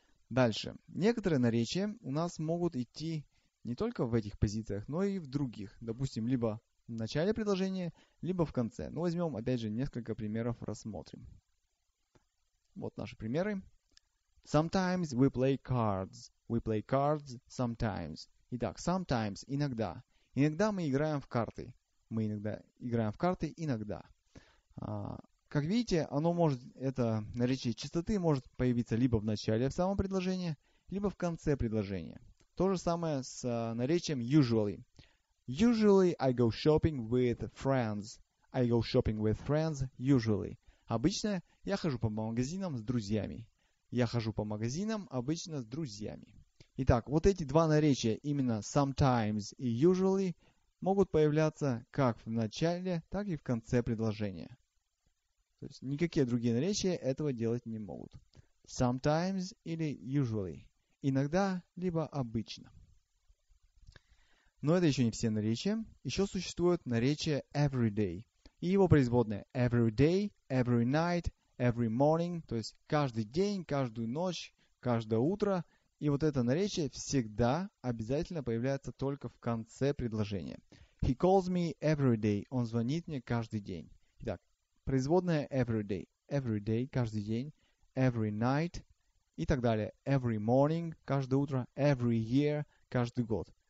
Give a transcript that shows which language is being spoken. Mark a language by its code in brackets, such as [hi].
[ru] Дальше. Некоторые наречия у нас могут идти не только в этих позициях, но и в других. Допустим, либо в начале предложения, либо в конце. Ну, возьмем, опять же, несколько примеров, рассмотрим. Вот наши примеры. [en] Sometimes we play cards. We play cards sometimes. [ru] Итак, sometimes, иногда. Иногда мы играем в карты. Мы иногда играем в карты иногда. Как видите, оно может, это наречие частоты может появиться либо в начале в самом предложении, либо в конце предложения. То же самое с наречием usually. [en] Usually I go shopping with friends. I go shopping with friends usually. [ru] Обычно я хожу по магазинам с друзьями. Я хожу по магазинам обычно с друзьями. Итак, вот эти два наречия, именно sometimes и usually, могут появляться как в начале, так и в конце предложения. То есть никакие другие наречия этого делать не могут. [en] Sometimes или usually. [ru] Иногда, либо обычно. Но это еще не все наречия. Еще существует наречие every day. И его производные [en] every day, every night, every morning. [ru] То есть каждый день, каждую ночь, каждое утро. И вот это наречие всегда обязательно появляется только в конце предложения. [en] He calls me every day. [ru] Он звонит мне каждый день. Итак. Производная every day, каждый день, every night и так далее, every morning, каждое утро, every year, каждый год.